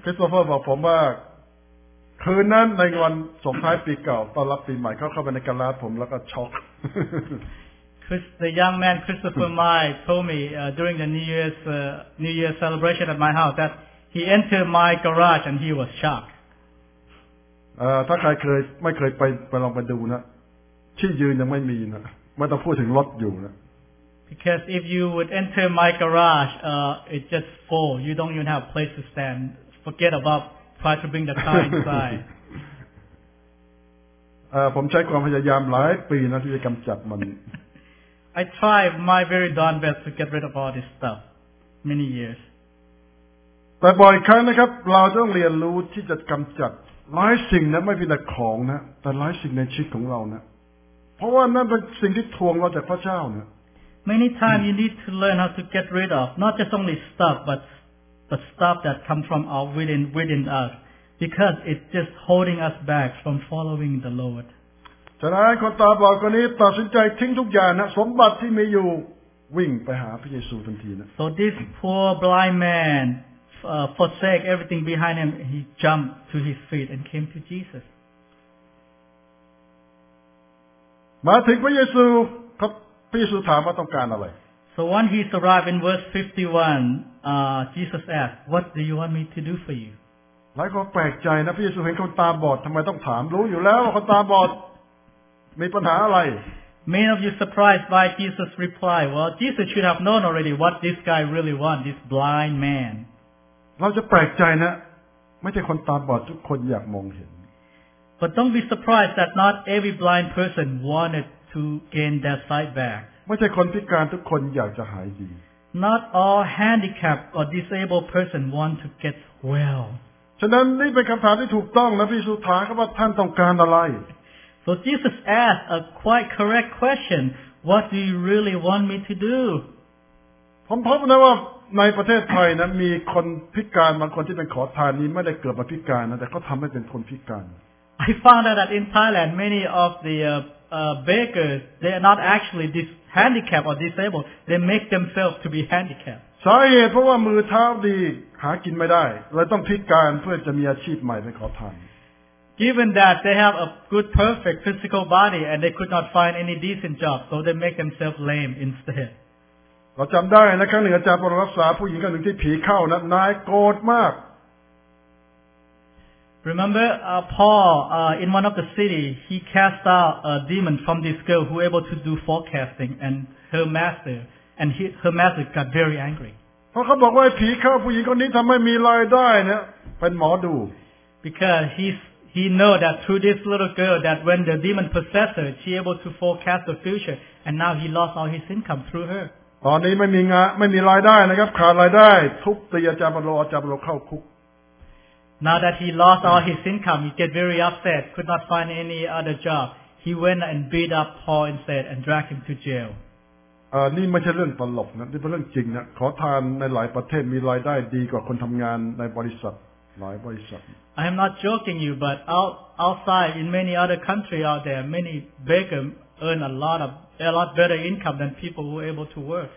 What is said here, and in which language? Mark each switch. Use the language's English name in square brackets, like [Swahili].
[Thai] คริสโตเฟอร์บอกผมว่าคืนนั้นในวันส่งท้ายปีเก่าต้อนรับปีใหม่เข้าไปในกาลาผมแล้วก็ช็อก [English] Chris the young man Christopher Mai told me during the New Year celebration at my house that he entered my garage and he was shocked [Thai] ถ้าใครไม่เคยไปลองไปดูนะที่ยืนยังไม่มีนะไม่ต้องพูดถึงรถอยู่นะ [English] Because if you would enter my garage it's just full you don't even have place to stand forget aboutTry to bring the car inside. [Thai] ผมใช้ความพยายามหลายปีนะที่จะกำจัดมัน [English] I try my very darn best to get rid of all this stuff many years. [Thai] แต่บ่อยครั้งนะครับเราต้องเรียนรู้ที่จะกำจัดหลายสิ่งนะไม่เพียงแต่ของนะแต่หลายสิ่งในชีวิตของเรานะเพราะว่านั่นเป็นสิ่งที่ทวงเราจากพระเจ้านะ [English] Many times you need to learn how to get rid of not just only stuff butThe stuff that comes from our within us, because it's just holding us back from following the Lord. [Thai] ฉะนั้นคนตาบอดคนนี้ตัดสินใจทิ้งทุกอย่างนะสมบัติที่มีอยู่วิ่งไปหาพระเยซูทันทีนะ [English] So this poor blind man forsake everything behind him. He jumped to his feet and came to Jesus. [Thai] มาถึงพระเยซูครับพระเยซูถามว่าต้องการอะไร [English] So when he arrived in verse 51. Jesus asked, "What do you want me to do for you?" [Thai] หลายคนแปลกใจนะพระเยซูเห็นคนตาบอดทำไมต้องถามรู้อยู่แล้วว่าคนตาบอดมีปัญหาอะไร [English] Many of you surprised by Jesus' reply. Well, Jesus should have known already what this guy really want. This blind man. [Thai] เราจะแปลกใจนะไม่ใช่คนตาบอดทุกคนอยากมองเห็น [English] But don't be surprised that not every blind person wanted to gain their sight back. [Thai] ไม่ใช่คนพิการทุกคนอยากจะหายดี [English] Not all handicapped or disabled person want to get well. [Thai] ฉะนั้นนี่เป็นคำถามที่ถูกต้องนะพี่สุธาครับว่าท่านต้องการอะไร [English] So Jesus asked a quite correct question. What do you really want me to do? [Thai] ผมพบนะว่าในประเทศไทยนะมีคนพิการบางคนที่เป็นขอทานนี้ไม่ได้เกิดมาพิการนะแต่เขาทำให้เป็นคนพิการ [English] I found out that in Thailand many of the beggars they are not actually handicapped or disabled, they make themselves to be handicapped. [Thai] สาเหตุเพราะว่ามือเท้าดีหากินไม่ได้เลยต้องพิการเพื่อจะมีอาชีพใหม่ไปขอทาน [English] Given that they have a good perfect physical body and they could not find any decent job, so they make themselves lame instead. [Thai] เราจำได้นะครั้งหนึ่งอาจารย์ปรารถนาผู้หญิงคนหนึ่งที่ผีเข้านะนายโกรธมาก [English] Remember Paul in one of the city he cast out a demon from this girl who able to do forecasting and her master got very angry. [Thai] เขาบอกว่าผีเข้าผู้หญิงคนนี้ทำให้มีรายได้เนี่ยเป็นหมอดู [English] Because he know that through this little girl that when the demon possess her she able to forecast the future and now he lost all his income through her. [Thai] ตอนนี้ไม่มีงานไม่มีรายได้นะครับขาดรายได้ทุบตีอาจารย์ปรารถนาอาจารย์ปรารถนาเข้าคุก [English] Now that he lost all his income, he get very upset, could not find any other job. He went and beat up Paul instead and dragged him to jail. [Thai] นี่ไม่ใช่เรื่องตลกนะนี่เป็นเรื่องจริงนะขอทานในหลายประเทศมีรายได้ดีกว่าคนทำงานในบริษัทหลายบริษัท [English] I am not joking you, but outside in many other countries out there, many beggars earn a lot better income than people who are able to work.